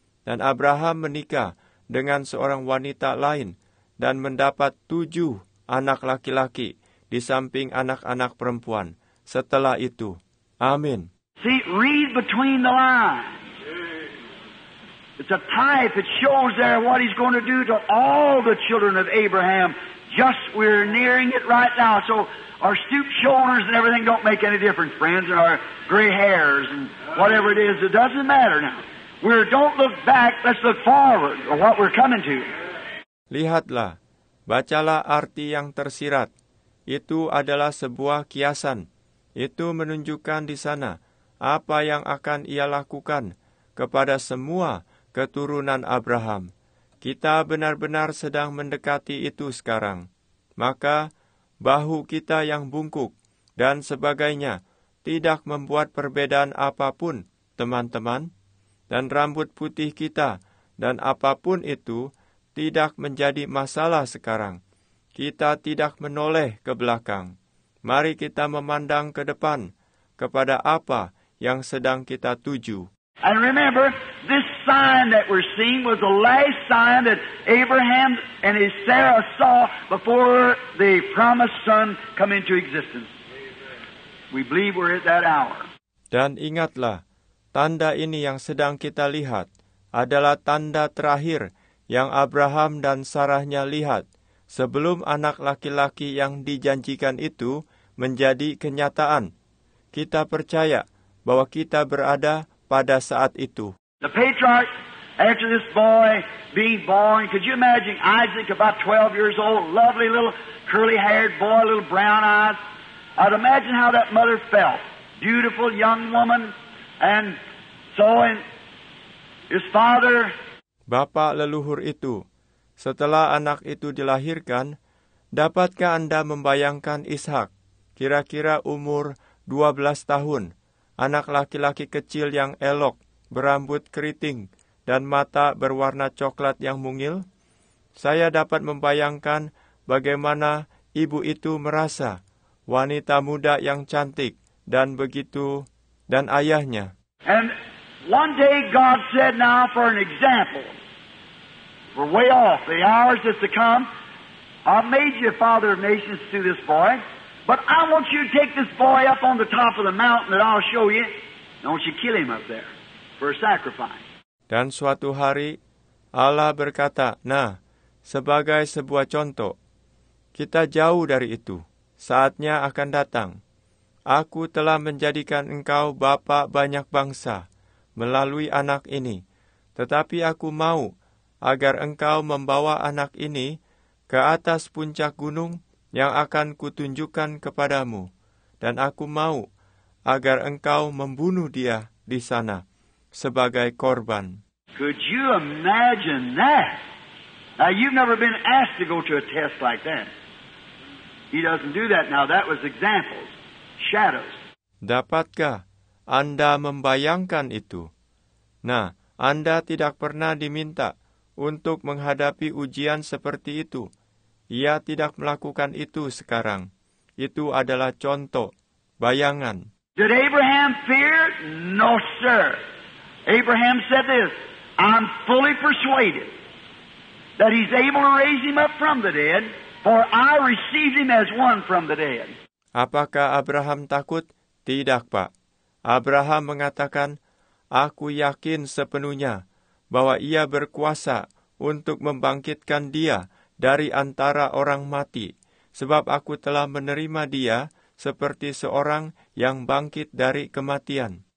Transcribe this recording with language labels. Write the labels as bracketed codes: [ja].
[id] Dan Abraham menikah dengan seorang wanita lain dan mendapat 7 anak laki-laki di samping anak-anak perempuan setelah itu. Amin. [en] See, read between the lines. It's a type. It shows there what he's going to do to all the children of Abraham. Just we're nearing it right now. So our stooped shoulders and everything don't make any difference, friends, and our gray hairs and whatever it is. It doesn't matter now. Don't look back. Let's look forward or what we're coming to. [id] Lihatlah. Bacalah arti yang tersirat. Itu adalah sebuah kiasan. Itu menunjukkan di sana apa yang akan ia lakukan kepada semua keturunan Abraham. Kita benar-benar sedang mendekati itu sekarang. Maka, bahu kita yang bungkuk dan sebagainya tidak membuat perbedaan apapun, teman-teman. Dan rambut putih kita dan apapun itu tidak menjadi masalah sekarang. Kita tidak menoleh ke belakang. Mari kita memandang ke depan kepada apa yang sedang kita tuju. [en] And remember, this sign that we're seeing was the last sign that Abraham and his Sarah saw before the promised son come into existence. We believe we're at that hour. [id] Dan ingatlah, tanda ini yang sedang kita lihat adalah tanda terakhir yang Abraham dan Sarahnya lihat sebelum anak laki-laki yang dijanjikan itu menjadi kenyataan. Kita percaya bahwa kita berada pada saat itu. [en] The patriarch After this boy being born, could you imagine Isaac, about 12 years old, lovely little curly-haired boy, little brown eyes? I'd imagine how that mother felt. Beautiful young woman. And so in his father... [id] Bapak leluhur itu, setelah anak itu dilahirkan, dapatkah Anda membayangkan Ishak, kira-kira umur 12 tahun, anak laki-laki kecil yang elok, berambut keriting, dan mata berwarna coklat yang mungil? Saya dapat membayangkan bagaimana ibu itu merasa, wanita muda yang cantik, dan begitu, dan ayahnya. [en] And one day God said, now for an example, we're way off, the hours is to come, I've made you a father of nations to this boy, but I want you to take this boy up on the top of the mountain that I'll show you, and I want you to kill him up there for a sacrifice. [id] Dan suatu hari, Allah berkata, nah, sebagai sebuah contoh, kita jauh dari itu, saatnya akan datang. Aku telah menjadikan engkau bapa banyak bangsa melalui anak ini, tetapi aku mau agar engkau membawa anak ini ke atas puncak gunung yang akan kutunjukkan kepadamu, dan aku mau agar engkau membunuh dia di sana sebagai korban. [en] Could you imagine that? Now, you've never been asked to go to a test like that. He doesn't do that now. That was examples, shadows. [id] Dapatkah Anda membayangkan itu? Nah, Anda tidak pernah diminta untuk menghadapi ujian seperti itu. Ia tidak melakukan itu sekarang. Itu adalah contoh, bayangan. [en] Did Abraham fear? No, sir. Abraham said this, I'm fully persuaded that he's able to raise him up from the dead, for I received him as one from the dead. [id] Apakah Abraham takut? Tidak, Pak. Abraham mengatakan, aku yakin sepenuhnya bahwa ia berkuasa untuk membangkitkan dia dari antara orang mati, sebab aku telah menerima dia seperti seorang yang bangkit dari kematian.